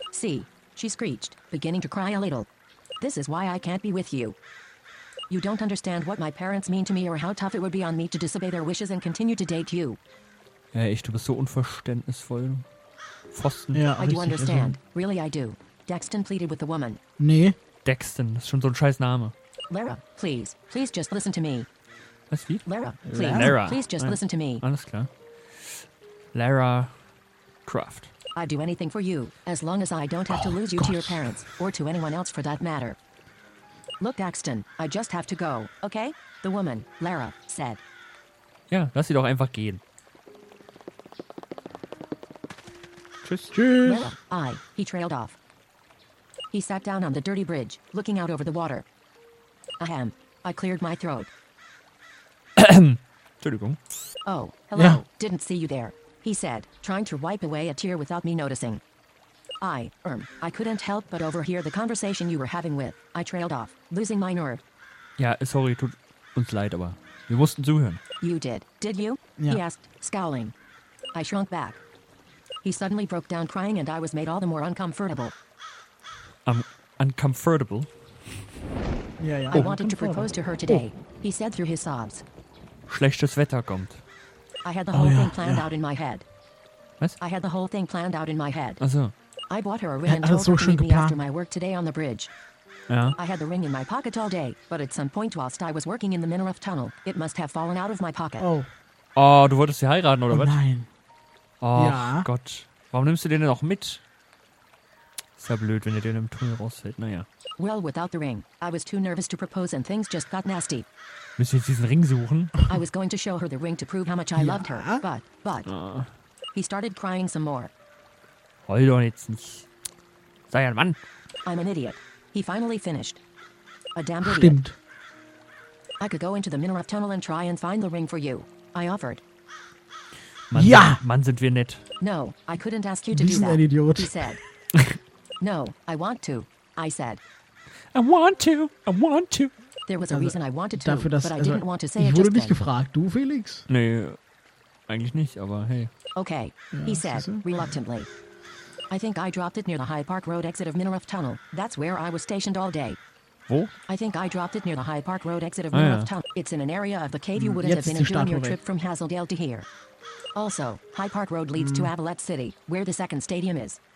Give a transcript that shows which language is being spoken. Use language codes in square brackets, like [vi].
[en] See, she screeched, beginning to cry a little. This is why I can't be with you. You don't understand what my parents mean to me or how tough it would be on me to disobey their wishes and continue to date you. [de] Ja, echt, du bist so unverständnisvoll. Pfosten. Ja, [en] I do understand. Really, I do. Daxton pleaded with the woman. [de] Nee. Daxton, das ist schon so ein scheiß Name. [en] Lara, please. Please just listen to me. [de] Was, wie? [en] Lara, please. Lara. Please just listen to me. [de] Alles klar. Lara Croft. [en] I'd do anything for you, as long as I don't have to lose you to your parents, or to anyone else for that matter. Look, Daxton, I just have to go, okay? The woman, Lara, said. [de] Ja, lass sie doch einfach gehen. Tschüss. Tschüss. [en] Lara, he trailed off. He sat down on the dirty bridge, looking out over the water. Ahem. I cleared my throat. [de] Entschuldigung. [en] Oh, hello. Yeah. Didn't see you there. He said, trying to wipe away a tear without me noticing. I couldn't help but overhear the conversation you were having with. I trailed off, losing my nerve. [de] Ja, sorry, tut uns leid, aber wir mussten zuhören. [en] You did you? [de] Ja. [en] He asked, scowling. I shrunk back. He suddenly broke down crying and I was made all the more uncomfortable. Uncomfortable? [de] Ja, ja. [en] I wanted to propose to her today, he said through his sobs. [de] Schlechtes Wetter kommt. [en] I had the whole thing planned out in my head. [de] Was? [en] I had the whole thing planned out in my head. [de] Ach so. [en] I bought her a ring and told her to meet me after my work today on the bridge. [de] Ja. [en] I had the ring in my pocket all day, but at some point whilst I was working in the Minerv tunnel, it must have fallen out of my pocket. Oh. [de] Oh, du wolltest sie heiraten, oder was? Nein. Oh, ja. Gott. Warum nimmst du den denn auch mit? Ist ja blöd, wenn ihr den im Tunnel rausfällt, naja. [en] Well, without the ring, I was too nervous to propose and things just got nasty. [de] Müssen jetzt diesen Ring suchen? [en] I was going to show her the ring to prove how much I loved her, but... He started crying some more. [de] Heul doch jetzt nicht. Sei ein Mann. [en] I'm an idiot. He finally finished. A damn [de] Stimmt. [en] idiot. I could go into the Minerv tunnel and try and find the ring for you. I offered. [de] Mann, ja! Mann, sind wir nett. [en] No, I couldn't ask you to do that. [de] Ein Idiot. [en] He said. No, I want to. I said. I want to. There was a reason I wanted to, [de] dafür, dass, [en] but I didn't [de] also, [en] want to say [de] ich [en] it [de] wurde [en] just [de] nicht [en] then. [de] Gefragt, du Felix? Nee, eigentlich nicht, aber hey. Okay, ja, [en] he said, reluctantly. I think I dropped it near the High Park Road exit of Minerv Tunnel. That's where I was stationed all day. [de] Wo? [en] I think I dropped it near the High Park Road exit of Minerv Tunnel. It's in an area of the cave you wouldn't [de] jetzt [en] have been enjoying your trip from Hazeldale to here. Also, High Park Road leads to Avalette City, where the second stadium is.